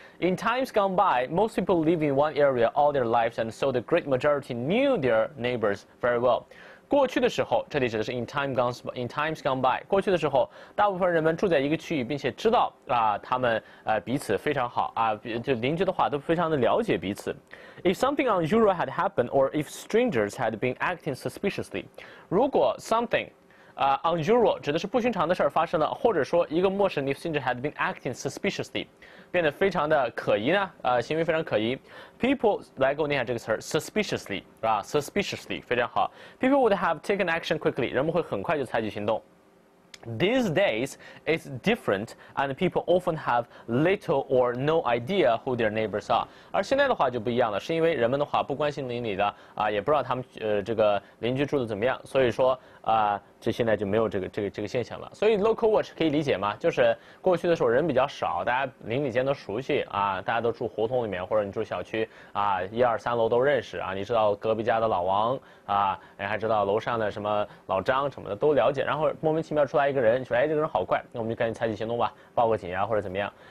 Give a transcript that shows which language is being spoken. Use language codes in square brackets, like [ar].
[en] In times gone by, most people live in one area all their lives, and so the great majority knew their neighbors very well. [zh] 过去的时候，这里指的是 [en] in times gone by. [zh] 过去的时候，大部分人们住在一个区域，并且知道啊，他们彼此非常好啊，就邻居的话都非常的了解彼此。 [en] If something unusual had happened, or if strangers had been acting suspiciously, [zh] 如果 [en] something unusual [zh] 指的是不寻常的事儿发生了，或者说一个陌生人甚至 [en] had been acting suspiciously， [zh] 变得非常的可疑呢？行为非常可疑。 People 来给我念一下这个词儿 ，suspiciously， 是吧 ？suspiciously 非常好。 [en] People would have taken action quickly， [zh] 人们会很快就采取行动。 [en] These days it's different, and people often have little or no idea who their neighbors are. [zh] 而现在的话就不一样了，是因为人们的话不关心邻里的啊，也不知道他们这个邻居住的怎么样，所以说啊，这现在就没有这个现象了。所以 local watch 可以理解吗？就是过去的时候人比较少，大家邻里间都熟悉啊，大家都住胡同里面，或者你住小区啊，一二三楼都认识啊，你知道隔壁家的老王啊，你还知道楼上的什么老张什么的都了解，然后莫名其妙出来一个人，说哎，这个人好怪，那我们就赶紧采取行动吧，报个警啊，或者怎么样。